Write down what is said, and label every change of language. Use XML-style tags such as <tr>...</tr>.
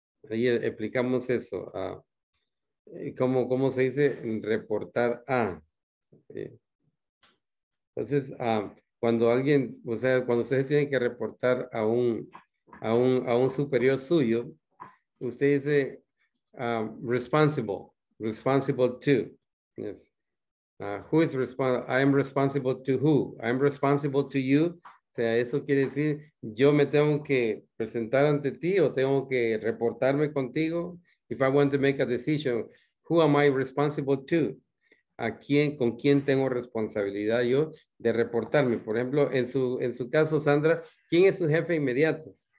<es>Ayer explicamos eso. ¿Cómo se dice reportar a? Entonces, cuando alguien, o sea, cuando ustedes tienen que reportar a un superior suyo, usted dice</es> <en>responsible to. Yes. Who is responsible? I am responsible to who? I am responsible to you.</en> <es>O sea, eso quiere decir, yo me tengo que presentar ante ti o tengo que reportarme contigo.</es> <en>If I want to make a decision, who am I responsible to?</en> <es>¿A quién, con quién tengo responsabilidad yo de reportarme? Por ejemplo, en su caso, Sandra, ¿quién es su jefe inmediato?</es>